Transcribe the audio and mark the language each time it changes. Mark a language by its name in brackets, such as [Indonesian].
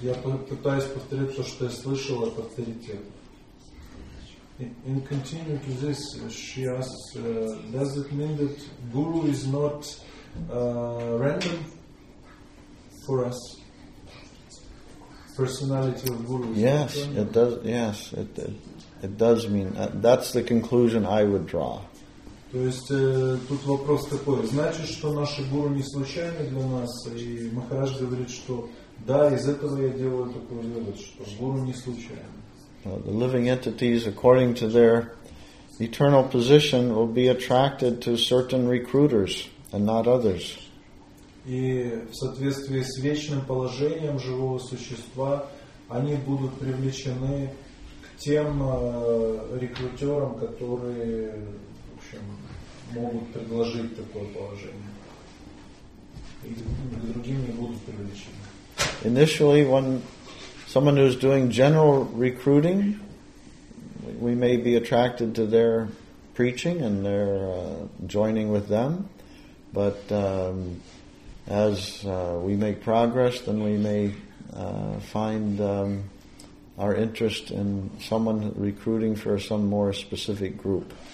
[English] In continuing to this, she asks, does it mean that Guru is not random for us? Personality of Guru is yes, not random? Yes, it does. Yes, it did. It does mean that's the conclusion I would draw. [Russian] То есть тут вопрос такой: значит, что наши гуру не случайны для нас? И Махарадж говорит, что да, из этого я делаю такой вывод, что гуру не случайны. [English] The living entities, according to their eternal position, will be attracted to certain recruiters and not others. [Russian] И в соответствии с вечным положением живого существа, они будут привлечены тем рекрутерам, которые, в общем, могут предложить такое положение. И другим не будут привлечены. [English] Initially, when someone who's doing general recruiting, we may be attracted to their preaching and their joining with them. But as we make progress, then we may find our interest in someone recruiting for some more specific group.